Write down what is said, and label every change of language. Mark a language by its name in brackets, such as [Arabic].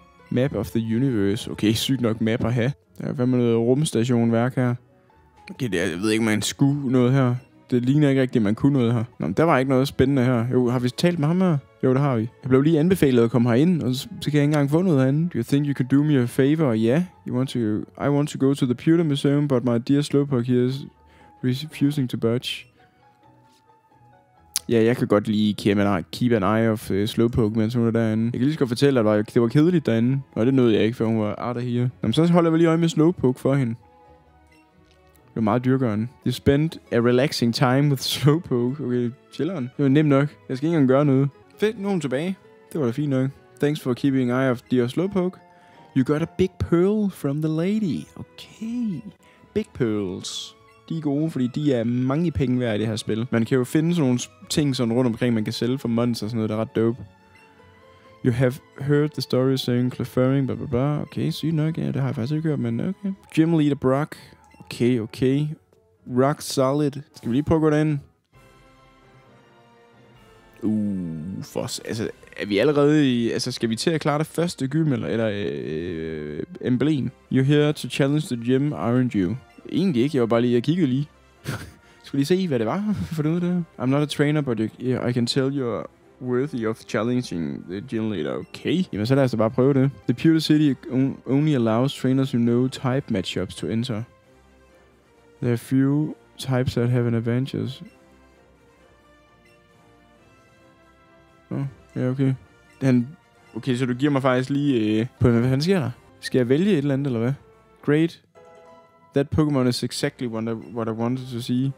[English] Map of the Universe. [Danish] Okay, sygt nok map at have. Der er fandme noget rumstation værk her. Okay, det er, jeg ved ikke, om man skulle noget her. det ligner ikke rigtigt, at man kunne noget her. Nå, der var ikke noget spændende her. Jo, har vi talt med ham her? Jo, det har vi. Jeg blev lige anbefalet at komme herind, og så kan jeg ikke engang få noget herinde. [English] Do you think you could do me a favor? Yeah, you want to, I want to go to the Pewter Museum, but my dear Slowpoke here is refusing to budge. [Danish] Ja, jeg kan godt lige [English] keep an eye of [Danish] Slowpoke, mens hun er derinde. Jeg kan lige så godt fortælle, at det var kedeligt derinde. Og det nåede jeg ikke, før hun var [English] out of here. [Danish] Nå, så holder jeg lige øje med Slowpoke for hende. Det var meget dyrgørende. [English] You spent a relaxing time with Slowpoke. [Danish] Okay, chilleren. Det var nemt nok. Jeg skal ikke engang gøre noget. Fedt, nu er hun tilbage. Det var da fint nok. [English] Thanks for keeping eye of dear Slowpoke. You got a big pearl from the lady. Okay. Big pearls. [Danish] De er gode, fordi de er mange penge værd i det her spil. Man kan jo finde sådan nogle ting sådan rundt omkring, man kan sælge for months og sådan noget, der er ret dope. [English] You have heard the story saying Clefairing, blah, blah, blah. [Danish] Okay, sygt nok. Ja, det har jeg faktisk ikke hørt, men okay. Gym leader Brock. Okay, okay. [English] Rock solid. [Danish] Skal vi lige prøve at gå derind? For altså, er vi allerede i... Altså, skal vi til at klare det første gym, eller emblem? [English] You're here to challenge the gym, aren't you? [Danish] Egentlig ikke. Jeg var bare lige... Jeg kiggede lige. Skulle lige se, hvad det var for noget der. [English] I'm not a trainer, but I can tell you're worthy of challenging the gym leader. Okay. [Danish] Jamen, så lad os da bare prøve det. [English] The Pewter City only allows trainers who know type matchups to enter. There are few types that have an advantage. Oh, [Danish] ja, [English] yeah, okay. [Danish] Okay, så du giver mig faktisk lige... På hvad fanden sker der? Skal jeg vælge et eller andet, eller hvad? [English] Great. That Pokemon is exactly what I wanted to see.